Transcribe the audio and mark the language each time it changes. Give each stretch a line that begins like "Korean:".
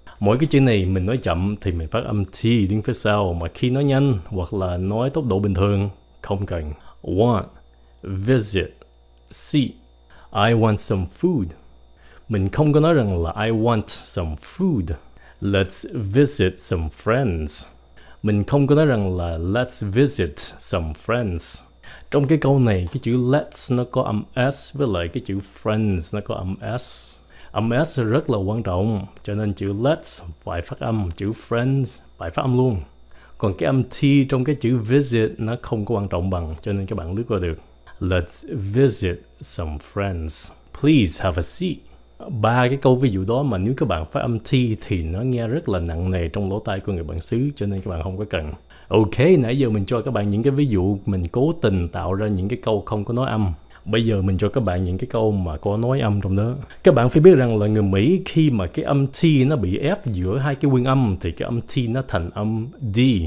Vietnamese: Mỗi cái chữ này mình nói chậm thì mình phát âm T đứng phía sau, mà khi nói nhanh hoặc là nói tốc độ bình thường, không cần.
English: Want, visit, seat. I want some food.
Vietnamese: Mình không có nói rằng là
English: I want some food. Let's visit some friends.
Vietnamese: Mình không có nói rằng là
English: let's visit some friends.
Vietnamese: Trong cái câu này, cái chữ let's nó có âm S với lại cái chữ friends nó có âm S. Âm S rất là quan trọng, cho nên chữ let's phải phát âm, chữ friends phải phát âm luôn. Còn cái âm T trong cái chữ visit nó không có quan trọng bằng, cho nên các bạn lướt qua được.
English: Let's visit some friends. Please have a seat.
Vietnamese: Ba cái câu ví dụ đó mà nếu các bạn phát âm T thì nó nghe rất là nặng nề trong lỗ tai của người bản xứ, cho nên các bạn không có cần. Ok, nãy giờ mình cho các bạn những cái ví dụ mình cố tình tạo ra những cái câu không có nói âm. Bây giờ mình cho các bạn những cái câu mà có nói âm trong đó. Các bạn phải biết rằng là người Mỹ khi mà cái âm T nó bị ép giữa hai cái nguyên âm thì cái âm T nó thành âm D.